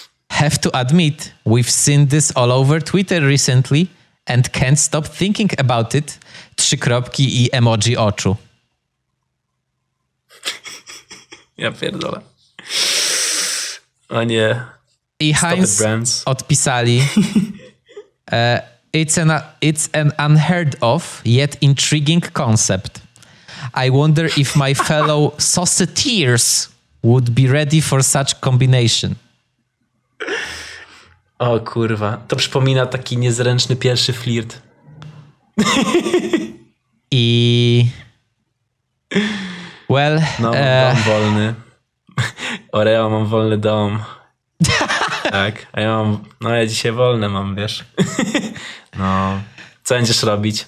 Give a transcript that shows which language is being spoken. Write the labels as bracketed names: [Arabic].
[English] Have to admit, we've seen this all over Twitter recently and can't stop thinking about it. [Polish] Trzy kropki i emoji oczu. Ja pierdolę. O nie. I Heinz odpisali [English] it's an unheard of yet intriguing concept. I wonder if my fellow sauceteers would be ready for such combination. [Polish] O kurwa, to przypomina taki niezręczny pierwszy flirt. I well, no, mam wolny Oreo, mam wolny dom. Tak, a ja mam, no ja dzisiaj wolne mam, wiesz. No, co będziesz robić?